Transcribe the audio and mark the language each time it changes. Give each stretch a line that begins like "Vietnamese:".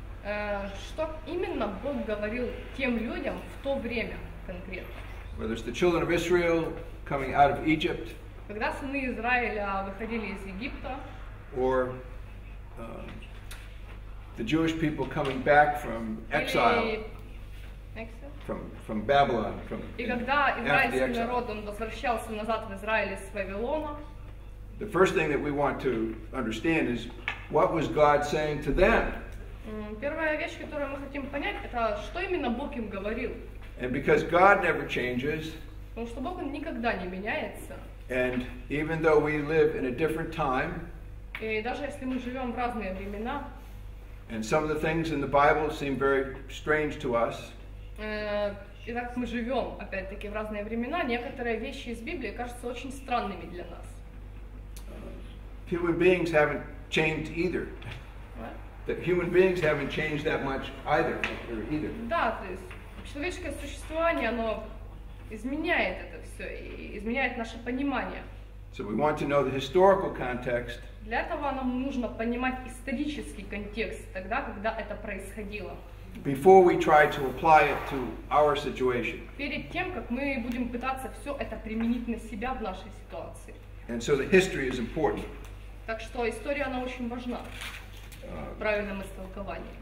Russian: Что именно Бог говорил тем людям в то время конкретно?
English: Whether it's the children of Israel coming out of Egypt.
Russian: Когда сыны Израиля выходили из Египта,
English: or the Jewish people coming back from exile, from Babylon, from
Russian: и когда израильский народ он возвращался назад в Израиль из Вавилона,
English: the first thing that we want to understand is what was God saying to them.
Russian: Первая вещь, которую мы хотим понять, это что именно Бог им говорил.
English: And because God never changes,
Russian: потому что Бог он никогда не меняется.
English: And even though we live in a different time,
Russian: и даже если мы живем в разные времена,
English: and some of the things in the Bible seem very strange to us,
Russian: и так мы живем опять-таки в разные времена, некоторые вещи из Библии кажутся очень странными для нас.
English: Human beings haven't changed either. That human beings haven't changed that much either.
Russian: Да, то есть человеческое существование, оно изменяет это все и изменяет наше понимание.
English: So we want to know the historical context.
Russian: Для этого нам нужно понимать исторический контекст тогда, когда это происходило.
English: Before we try to apply it to our situation.
Russian: Перед тем, как мы будем пытаться все это применить на себя в нашей ситуации.
English: And so the history is important.
Russian: Так что история, она очень важна в правильном истолковании.